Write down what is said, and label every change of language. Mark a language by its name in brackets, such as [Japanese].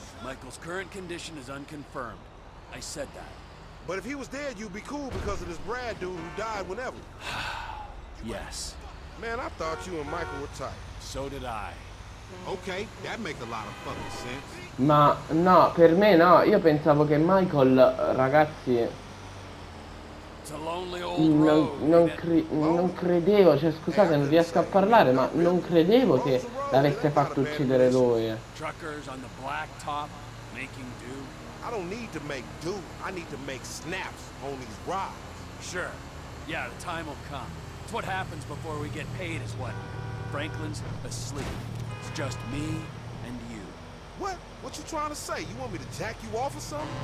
[English] Michael's current condition is unconfirmed. I said that. But if he was dead, you'd be cool because of this Brad dude who died whenever. Yes. Man, I thought you and Michael were tight. So did I. Okay, that makes a lot of fucking sense. [Italian] Ma no, per me no. Io pensavo che Michael, ragazzi, non credevo, cioè scusate, non riesco a parlare, ma non credevo che l'avesse fatto uccidere lui. [English] Truckers on the blacktop making do. I don't need to make do. I need to make snaps on these rocks. Sure. Yeah, the time will come. It's what happens before we get paid is what? Franklin's asleep. It's just me and you. What? What you trying to say? You want me to jack you off or something?